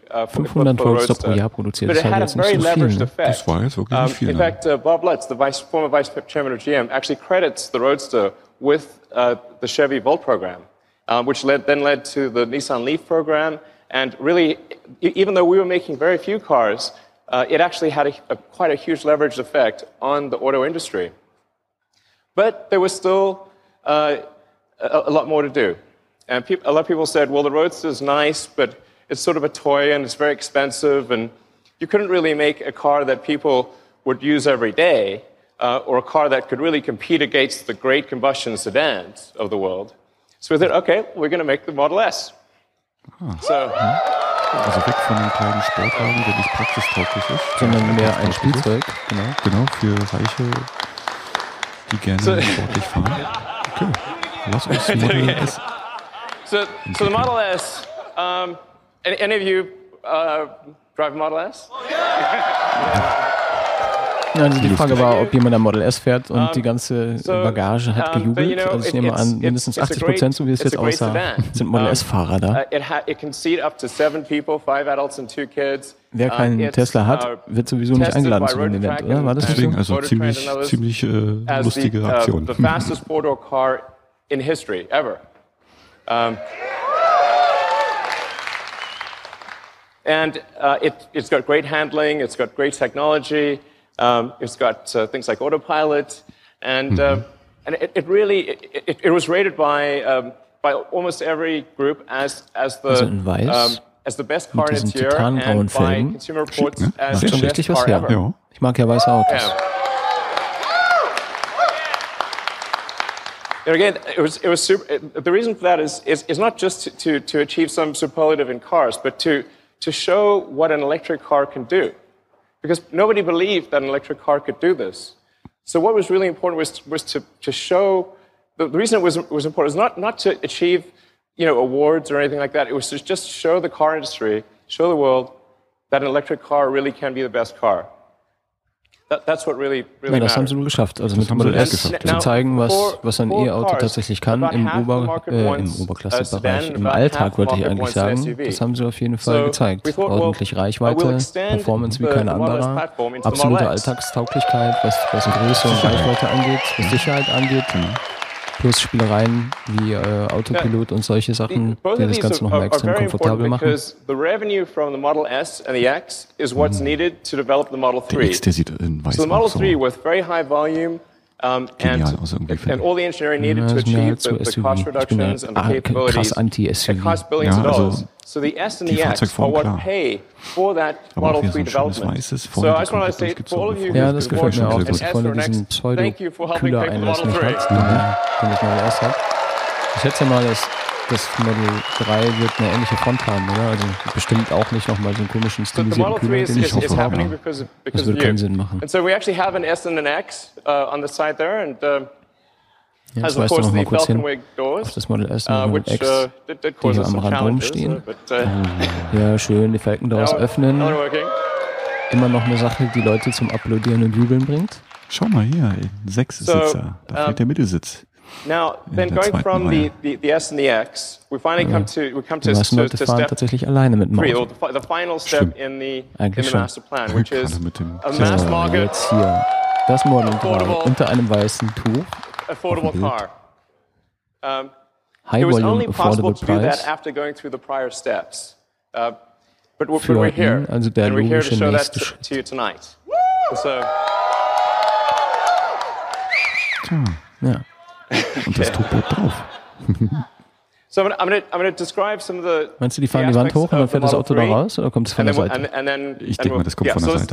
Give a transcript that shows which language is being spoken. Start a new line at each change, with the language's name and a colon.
German: 500 Roadster pro Jahr produziert, das war jetzt nicht so viel. Das war jetzt wirklich nicht viel.
English: In fact, Bob Lutz, the former vice chairman of GM, actually credits the Roadster with the Chevy Volt program, which led to the Nissan Leaf program. And really, even though we were making very few cars, it actually had quite a huge leverage effect on the auto industry. But there was still a lot more to do. And a lot of people said, well, the Roadster is nice, but it's sort of a toy and it's very expensive. And you couldn't really make a car that people would use every day. Or a car that could really compete against the great combustion sedans of the world. So we thought, okay, we're going to make the Model S.
German: Also weg von einem kleinen Sportwagen, der nicht praxistauglich ist. Sondern mehr ein Spielzeug. Genau. Genau, für Reiche, die gerne sportlich fahren. Okay, lass uns Model S.
English: So the Model S, any of you drive a Model S?
German: Nein, die Frage war, ob jemand ein Model S fährt und die ganze Bagage hat gejubelt. Also ich nehme an, mindestens 80%, so wie es jetzt aussah, sind Model S-Fahrer da.
English: It can seat up to 7 people, 5 adults and 2 kids.
German: Wer keinen Tesla hat, wird sowieso nicht eingeladen zu dem Event, oder? War das deswegen so? Also ziemlich lustige Aktion.
English: The fastest four-door car in history, ever. And it's got great handling, it's got great technology. It's got things like autopilot, and it was rated by almost every group as the best car in its year, and by Consumer Reports as the best car ever.
German: Ja. Ich mag ja weiße Autos.
English: And again, it was super. The reason for that is not just to achieve some superlative in cars, but to show what an electric car can do. Because nobody believed that an electric car could do this. So what was really important was to show, the reason it was important was not to achieve, you know, awards or anything like that. It was to just show the car industry, show the world, that an electric car really can be the best car. That's what really matters.
German: Das haben sie geschafft, also mit Model S zu zeigen, was ein E-Auto tatsächlich kann im Oberklassebereich, im Alltag, würde ich eigentlich sagen. Das haben sie auf jeden Fall gezeigt. Ordentlich Reichweite, Performance wie kein anderer, absolute Alltagstauglichkeit, was Größe und Reichweite angeht, was Sicherheit angeht, plus Spielereien wie Autopilot und solche Sachen, die das Ganze nochmal extrem komfortabel machen.
English: Because the revenue from the Model S and the X is what's needed to develop the Model 3.
German: Der X, der sieht in weiß
English: so the Model 3 with very high volume and all the engineering needed to achieve the cost reductions and the capabilities.
German: Krass anti-SUV.
English: It costs billions of dollars. So the S and the X are what pay for that Model 3 development. So I just want to say to all of you who have bought an S or an X, thank you for helping pay for the Model 3.
German: Ich schätze mal, dass das Model 3 wird eine ähnliche Front haben, oder? Also bestimmt auch nicht nochmal so einen komischen stilisierten Kühler, den ich hoffe, aber das würde keinen Sinn machen.
English: And so we actually have an S and an X on the side there, and has of course the Falcon Wing doors,
German: das Model S und Model X, die hier am Rand rumstehen. Ja, schön, die Falcon Doors öffnen. Immer noch eine Sache, die Leute zum Applaudieren und Jubeln bringt. Schau mal hier, ein Sechssitzer. Da fehlt der Mittelsitz.
English: Now, then going from the S and the X, we finally come to the final step in the master plan, which is a mass market.
German: Das Model 3 unter einem weißen Tuch.
English: Affordable car. High volume, affordable price. It was only possible to do that after going through the prior steps. But we're here.
German: Also der logische nächste Schritt.
English: And we're here to show that to you tonight. So.
German: Ja. Und das Tuch bleibt drauf.
English: So I'm gonna describe some of the.
German: Meinst du, die fahren die Wand hoch und dann fährt das Auto da raus oder kommt es von der Seite? Ich denke mal, das kommt von der Seite.